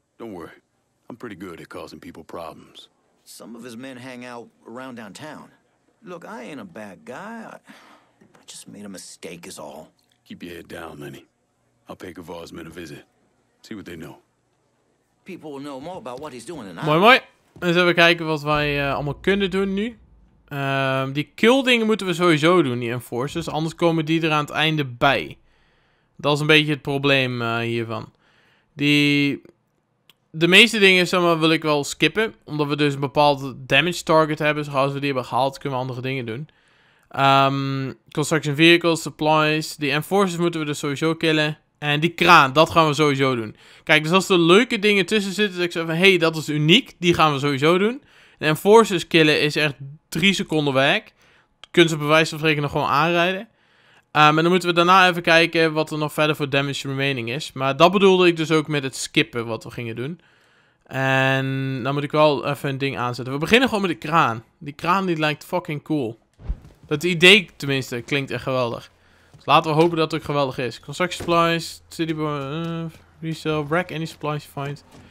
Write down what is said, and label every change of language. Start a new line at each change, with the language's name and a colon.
English: Don't worry. I'm pretty good at causing people problems. Some of his men hang out around downtown. Look, I ain't a bad guy. I just made a mistake is all. Keep your head down, Lenny. I'll pay Kavar's men a visit. See what they know. People will know more about what he's doing than I.
Dutch: Mooi, mooi. Eens even kijken wat wij allemaal kunnen doen nu. Die kill dingen moeten we sowieso doen, die enforcers. Anders komen die er aan het einde bij. Dat is een beetje het probleem hiervan. De meeste dingen zeg maar, wil ik wel skippen. Omdat we dus een bepaald damage target hebben. Zo gauw als we die hebben gehaald, kunnen we andere dingen doen.
English: Construction vehicles, supplies.
Dutch: Die enforcers moeten we dus sowieso killen. En die kraan, dat gaan we sowieso doen. Kijk, dus als er leuke dingen tussen zitten. Dat ik zeg van, hey, dat is uniek. Die gaan we sowieso doen. De enforcers killen is echt 3 seconden werk. Kunnen ze bij wijze van spreken nog gewoon aanrijden. En dan moeten we daarna even kijken wat er nog verder voor damage remaining is. Maar dat bedoelde ik dus ook met het skippen wat we gingen doen. En dan moet ik wel even een ding aanzetten. We beginnen gewoon met de kraan. Die kraan die lijkt fucking cool. Dat idee tenminste klinkt echt geweldig. Dus laten we hopen dat het ook geweldig is.
English: Construction supplies, city resale, wreck any supplies you find.